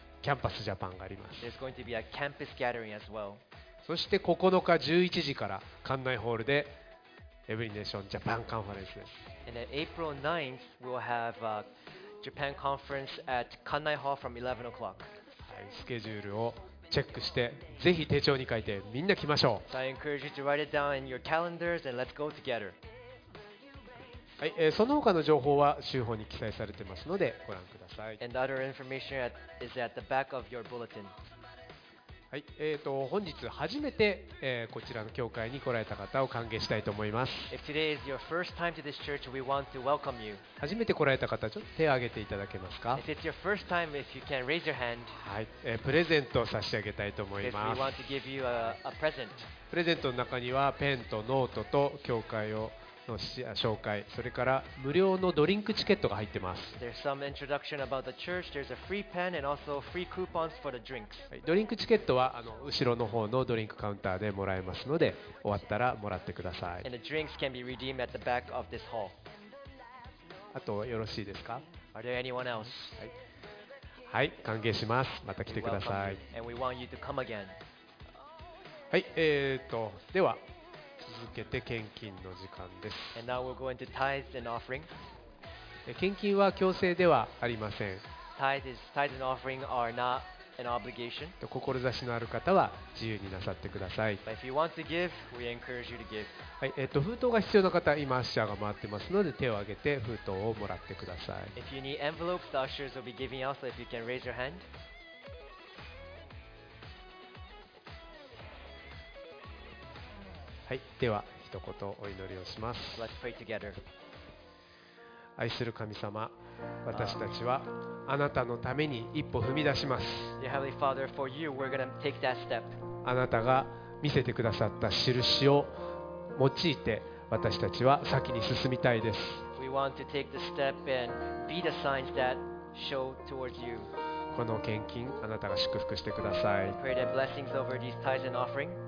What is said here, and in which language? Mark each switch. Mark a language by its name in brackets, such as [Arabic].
[Japanese] キャンパスジャパンがあります。 [English] There's going to be a campus gathering as well. [Japanese] そして9日11時から館内ホールでエブリネーションジャパンカンファレンスです。 [English] And then April 9th, we'll have a Japan conference at Kannai Hall from 11 o'clock. [Japanese] はい、スケジュールをチェックしてぜひ手帳に書いてみんな来ましょう。 [English] So、I encourage you to write it down in your calendars and let's go together. [Japanese] はい、その他の情報は週報に記載されていますのでご覧ください。 [English] And other information is at the back of your bulletin. [Japanese] はい、本日初めて、こちらの教会に来られた方を歓迎したいと思います。 [English] If today is your first time to this church, we want to welcome you. [Japanese] 初めて来られた方、ちょっと手を挙げていただけますか。 [English] If it's your first time, if you can raise your hand. [Japanese] はい、プレゼントを差し上げたいと思います。 [English] Because we want to give you a present. [Japanese] プレゼントの中にはペンとノートと教会をの紹介、それから無料のドリンクチケットが入ってます。 [English] There's some introduction about the church. There's a free pen and also free coupons for the drinks. [Japanese] ドリンクチケットは後ろの方のドリンクカウンターでもらえますので、終わったらもらってください。 [English] And the drinks can be redeemed at the back of this hall. [Japanese] あとよろしいですか。 [English] Are there anyone else? [Japanese] はい、はい、歓迎します。また来てください。 [English] And we want you to come again. [Japanese] はい、では続けて献金の時間です。 [English] And now we'll go into tithes and offering. [Japanese] 献金は強制ではありません。 [English] tithes and offering are not an obligation. [Japanese] 志のある方は自由になさってください。 [English] But if you want to give, we encourage you to give. [Japanese] はい、封筒が必要な方、今アッシャーが回ってますので手を挙げて封筒をもらってください。 [English] If you need envelopes, the ushers will be giving out, so if you can raise your hand. [Japanese] はい、では一言お祈りをします。 [English] Let's pray together. [Japanese] 愛する神様、私たちはあなたのために一歩踏み出します。 [English] Your Heavenly Father, for you, we're going to take that step. [Japanese] あなたが見せてくださった印を用いて私たちは先に進みたいです。 [English] We want to take the step and be the signs that show towards you. [Japanese] この献金、あなたが祝福してください。 [English] Pray the blessings over these tithes and offering.